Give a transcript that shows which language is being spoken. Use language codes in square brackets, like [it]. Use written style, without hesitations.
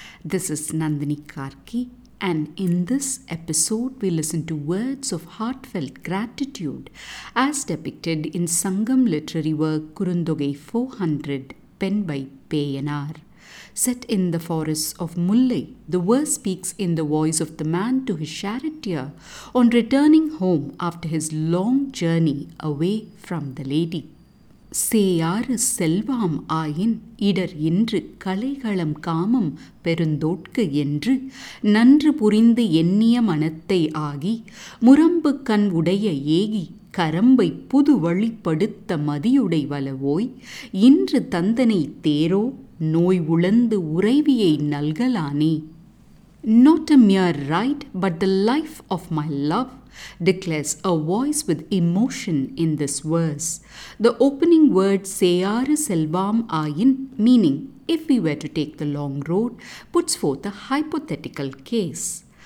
[en] This is Nandini Karki, and in this episode we listen to words of heartfelt gratitude as depicted in Sangam literary work Kurundogai 400, penned by PNR. Set in the forests of Mullai, the verse speaks in the voice of the man to his charioteer on returning home after his long journey away from the lady. [ta] Seyyar செல்வாம் ஆயின் இடர் இன்று கலைகளம் காமம் பெருந்தோட்கு என்று நன்று புரிந்து எண்ணிய மனத்தை ஆகி முரம்பு கண் உடைய ஏகி கரம்பை புது வழிப்படுத்த மதியுடை வலவோய் இன்று தந்தனை தேரோ நோய் உழந்து உறைவியை நல்கலானே. [en] Not a mere ride, but the life of my love, declares a voice with emotion in this verse. The opening word [ta] Seyaru Selvam Ayin, [en] meaning if we were to take the long road, puts forth a hypothetical case.